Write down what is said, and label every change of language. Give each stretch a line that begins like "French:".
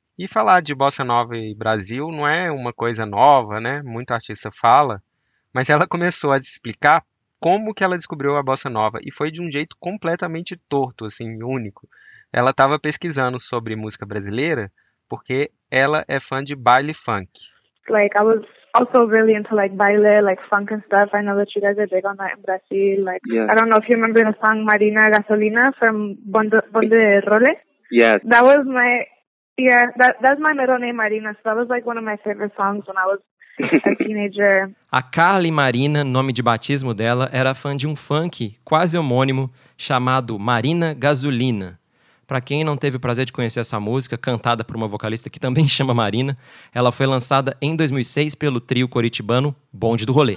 Portuguese: E falar de bossa nova e Brasil não é uma coisa nova, né? Muito artista fala, mas ela começou a explicar como que ela descobriu a bossa nova, e foi de um jeito completamente torto, assim, único. Ela estava pesquisando sobre música brasileira, porque ela é fã de baile funk.
English: Like, I was also really into, like, baile, like, funk and stuff. I know that you guys are big on that in Brazil. Like, yes. I don't know if you remember the song Marina Gasolina from Bonde de Role. Yes. That was my, yeah, that's my middle name, Marina. So that was, like, one of my favorite songs when I was a teenager.
Portuguese: A Carly Marina, nome de batismo dela, era fã de um funk quase homônimo chamado Marina Gasolina. Para quem não teve o prazer de conhecer essa música, cantada por uma vocalista que também chama Marina, ela foi lançada em 2006 pelo trio coritibano Bonde do Rolê.